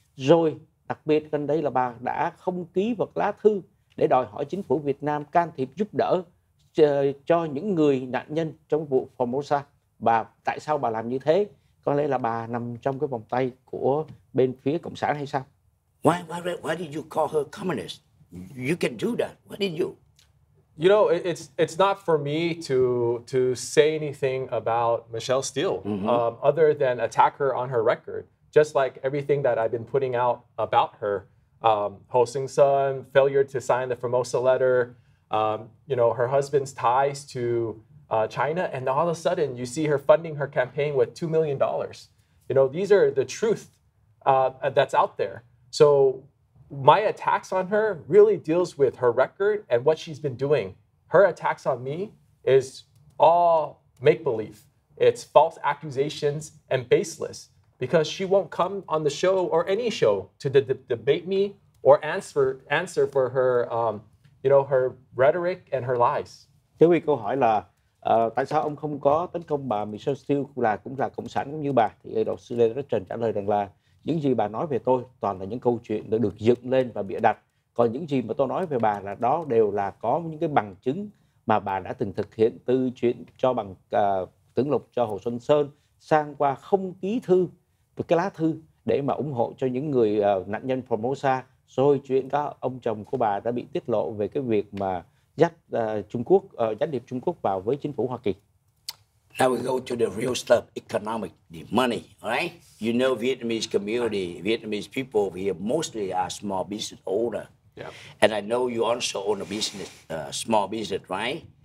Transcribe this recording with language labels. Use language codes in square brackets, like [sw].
[vi] Rồi đặc biệt gần đây là bà đã không ký vật lá thư để đòi hỏi chính phủ Việt Nam can thiệp giúp đỡ cho những người nạn nhân trong vụ Formosa. Bà, tại sao bà làm như thế? Có lẽ là bà nằm trong cái vòng tay của bên phía Cộng sản hay sao? [en] Why did you call her communist? You can do that. Why did you? You know, it's not for me to say anything about Michelle Steele, other than attack her on her record. Just like everything that I've been putting out about her, Ho Sing Sun, failure to sign the Formosa letter, you know, her husband's ties to China, and all of a sudden you see her funding her campaign with $2 million. You know, these are the truth that's out there. So my attacks on her really deals with her record and what she's been doing. Her attacks on me is all make-believe. It's false accusations and baseless, because she won't come on the show or any show to debate me or answer for her, you know, her rhetoric and her lies. [vi] Thưa quý vị, câu hỏi là tại sao ông không có tấn công bà Michelle Steele cũng là cộng sản cũng như bà? Thì đạo sư Lê Đức Trần trả lời rằng là những gì bà nói về tôi toàn là những câu chuyện đã được dựng lên và bịa đặt. Còn những gì mà tôi nói về bà là đó đều là có những cái bằng chứng mà bà đã từng thực hiện, từ chuyện cho bằng tưởng lục cho Hồ Xuân Sơn, sang qua không ký thư, một cái lá thư để mà ủng hộ cho những người nạn nhân Formosa. Rồi chuyện đó, ông chồng của bà đã bị tiết lộ về cái việc mà dắt Trung Quốc, gián điệp Trung Quốc vào với chính phủ Hoa Kỳ. [en] Now we go to the real stuff, economic, the money, right? You know, Vietnamese community, Vietnamese people here mostly are small business owner. Yeah. And I know you also own a business, small business, right?